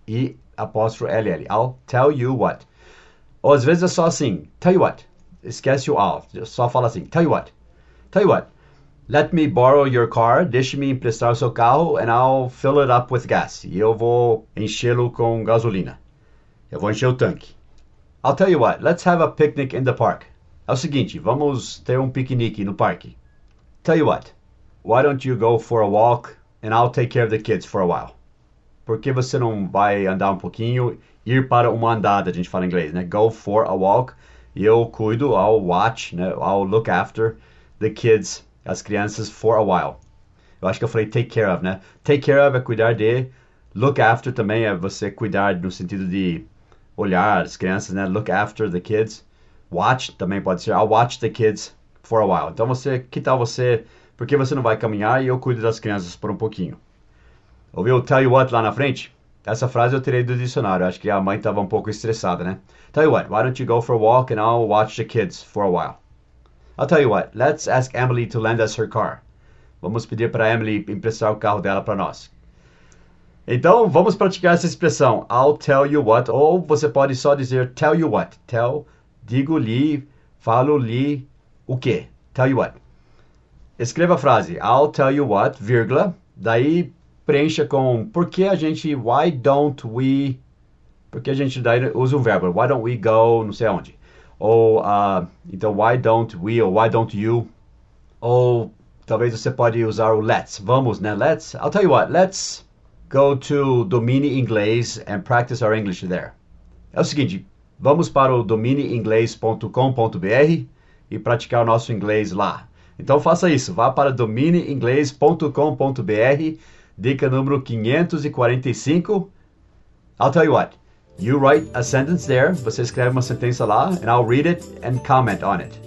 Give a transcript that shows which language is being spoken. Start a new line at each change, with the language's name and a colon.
Portuguese: E apóstrofo L-L. I'll tell you what. Ou às vezes é só assim. Tell you what. Esquece o I'll. Só fala assim. Tell you what. Tell you what.
English: Let me borrow your car.
Portuguese: Deixe-me emprestar o seu carro
English: and I'll fill it up with gas.
Portuguese: E eu vou enchê-lo com gasolina. Eu vou encher o tanque.
English: I'll tell you what. Let's have a picnic in the park.
Portuguese: É o seguinte, vamos ter um piquenique no parque.
English: Tell you what, why don't you go for a walk and I'll take care of the kids for a while.
Portuguese: Por que você não vai andar um pouquinho, ir para uma andada, a gente fala em inglês, né?
English: Go for a walk,
Portuguese: e eu cuido,
English: I'll watch, né? I'll look after the kids,
Portuguese: as crianças,
English: for a while.
Portuguese: Eu acho que eu falei
English: take care of,
Portuguese: né?
English: Take care of
Portuguese: é cuidar de,
English: look after
Portuguese: também é você cuidar no sentido de olhar as crianças, né?
English: Look after the kids. Watch
Portuguese: também pode ser,
English: I'll watch the kids for a while.
Portuguese: Então você, que tal você, porque você não vai caminhar e eu cuido das crianças por um pouquinho. Ouviu o
English: tell you what
Portuguese: lá na frente? Essa frase eu tirei do dicionário, acho que a mãe estava um pouco estressada, né?
English: Tell you what, why don't you go for a walk and I'll watch the kids for a while. I'll tell you what, let's ask Emily to lend us her car.
Portuguese: Vamos pedir para Emily emprestar o carro dela para nós. Então, vamos praticar essa expressão,
English: I'll tell you what,
Portuguese: ou você pode só dizer
English: tell you what,
Portuguese: tell digo-lhe, falo-lhe o quê?
English: Tell you what.
Portuguese: Escreva a frase.
English: I'll tell you what,
Portuguese: vírgula. Daí, preencha com por que a gente,
English: why don't we,
Portuguese: porque a gente daí usa um verbo.
English: Why don't we go,
Portuguese: não sei aonde. Ou, então,
English: why don't we, ou why don't you.
Portuguese: Ou, talvez você pode usar o let's. Vamos, né? Let's,
English: I'll tell you what. Let's go to Domini Inglês and practice our English there.
Portuguese: É o seguinte. Vamos para o domineinglês.com.br e praticar o nosso inglês lá. Então faça isso, vá para domineinglês.com.br, dica número 545.
English: I'll tell you what, you write a sentence there,
Portuguese: você escreve uma sentença lá,
English: and I'll read it and comment on it.